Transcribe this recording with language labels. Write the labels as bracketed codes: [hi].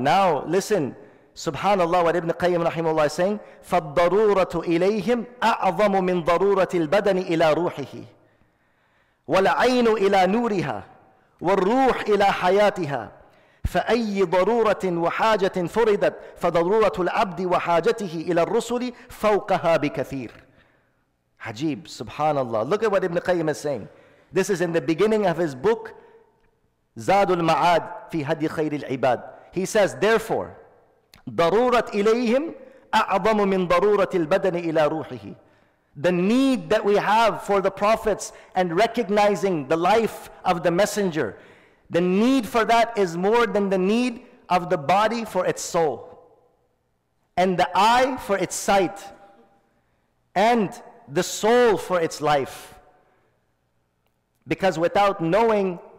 [en] Now listen, subhanallah, what Ibn Qayyim rahimahullah is saying, [ar] فَالضَّرُورَةُ إِلَيْهِمْ أَعْظَمُ مِنْ ضَرُورَةِ الْبَدَنِ إِلَىٰ رُوحِهِ وَالْعَيْنُ إِلَىٰ نُورِهَا والروح إلى حياتها فأي ضرورة وحاجة فرضت فضرورة العبد وحاجته إلى الرسل فوقها بكثير. حجيب. Subhanallah. [en] Look at what Ibn Qayyim is saying. This is in the beginning of his book زاد المعاد في هدي خير العباد. He says, therefore, [ar] ضرورة إليهم أعظم من ضرورة البدن إلى روحه. [en] The need that we have for the prophets and recognizing the life of the messenger, the need for that is more than the need of the body for its soul, and the eye for its sight, and the soul for its life. Because without knowing